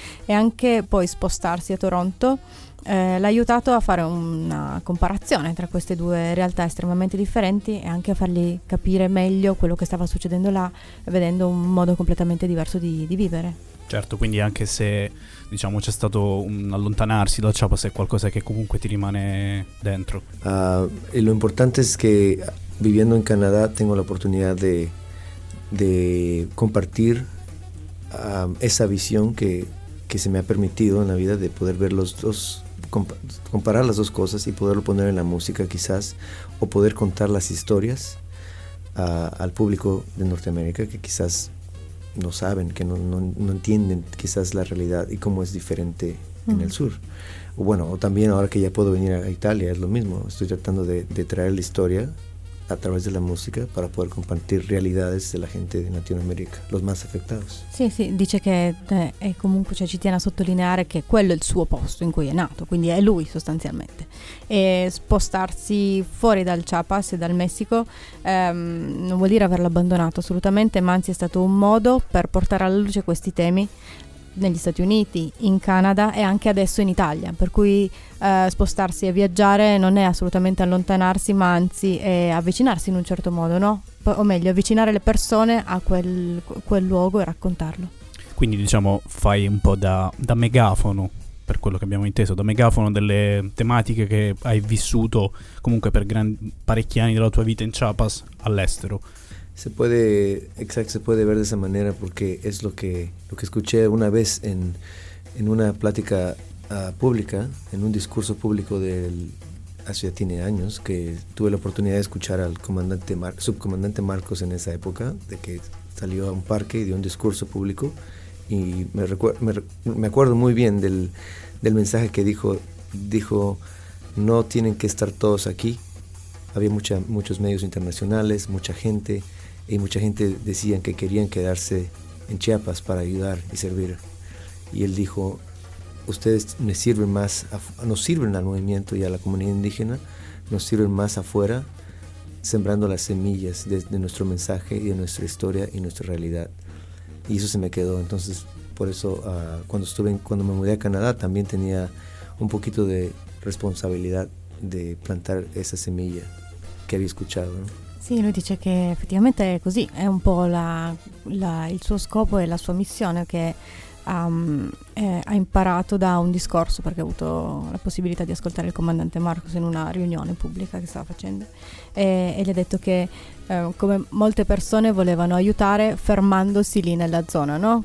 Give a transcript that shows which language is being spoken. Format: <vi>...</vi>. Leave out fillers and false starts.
<it>E anche poi spostarsi a Toronto l'ha aiutato a fare una comparazione tra queste due realtà estremamente differenti, e anche a fargli capire meglio quello che stava succedendo là, vedendo un modo completamente diverso di vivere. Certo, quindi anche se diciamo c'è stato un allontanarsi da Chiapas, è qualcosa che comunque ti rimane dentro.</it> <es>E lo importante è che viviendo in Canada tengo l'opportunità di compartir esa visión que se me ha permitido en la vida de poder ver los dos, comparar las dos cosas y poderlo poner en la música quizás, o poder contar las historias al público de Norteamérica que quizás no saben, que no entienden quizás la realidad y cómo es diferente en el sur. Bueno, o también ahora que ya puedo venir a Italia es lo mismo, estoy tratando de traer la historia a través de la música para poder compartir realidades de la gente de Latinoamérica, los más afectados. Sí, sí,</es> <it>dice que comunque ci tiene a sottolineare que quello è il suo posto in cui è nato, quindi è lui sostanzialmente. E spostarsi fuori dal Chiapas e dal Messico non vuol dire averlo abbandonato assolutamente, ma anzi è stato un modo per portare alla luce questi temi negli Stati Uniti, in Canada e anche adesso in Italia, per cui spostarsi e viaggiare non è assolutamente allontanarsi, ma anzi è avvicinarsi in un certo modo, no? O meglio, avvicinare le persone a quel luogo e raccontarlo. Quindi diciamo fai un po' da megafono, per quello che abbiamo inteso, da megafono delle tematiche che hai vissuto comunque per parecchi anni della tua vita in Chiapas all'estero.</it> <es>Se puede, exacto, se puede ver de esa manera porque es lo que escuché una vez en una plática pública, en un discurso público hace ya tiene años, que tuve la oportunidad de escuchar al subcomandante Marcos en esa época, de que salió a un parque y dio un discurso público, y me acuerdo muy bien del mensaje que dijo, no tienen que estar todos aquí, había muchos medios internacionales, mucha gente, y mucha gente decían que querían quedarse en Chiapas para ayudar y servir. Y él dijo, ustedes me sirven más, nos sirven al movimiento y a la comunidad indígena, nos sirven más afuera, sembrando las semillas de nuestro mensaje y de nuestra historia y nuestra realidad. Y eso se me quedó. Entonces, por eso, cuando me mudé a Canadá, también tenía un poquito de responsabilidad de plantar esa semilla que había escuchado, ¿no?</es> <it>Sì, lui dice che effettivamente è così, è un po' il suo scopo e la sua missione che ha imparato da un discorso, perché ha avuto la possibilità di ascoltare il comandante Marcos in una riunione pubblica che stava facendo e gli ha detto che come molte persone volevano aiutare fermandosi lì nella zona, no?</it>